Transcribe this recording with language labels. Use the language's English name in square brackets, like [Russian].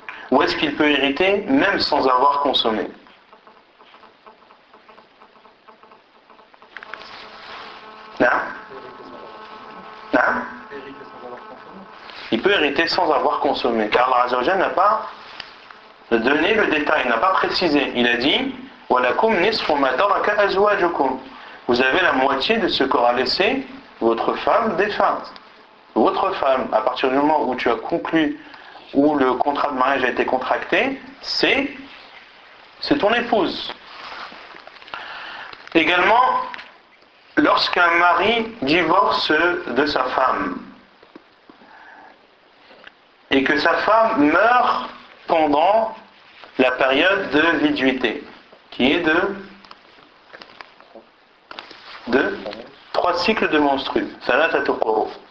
[French] Ou est-ce qu'il peut hériter même sans avoir consommé? Non? Non? Il peut hériter sans avoir consommé. Car Allah Azza wa Jalla n'a pas donné le détail, n'a pas précisé. Il a dit [Arabic] وَلَكُمْ نِصْفُ مَا تَرَكَ أَزْوَاجُكُمْ. [French] Vous avez la moitié de ce qu'aura laissé votre femme défunte. Votre femme, à partir du moment où tu as conclu, où le contrat de mariage a été contracté, c'est ton épouse. Également, lorsqu'un mari divorce de sa femme, et que sa femme meurt pendant la période de viduité, qui est de 3 cycles de menstrues. Salat at-tuqur.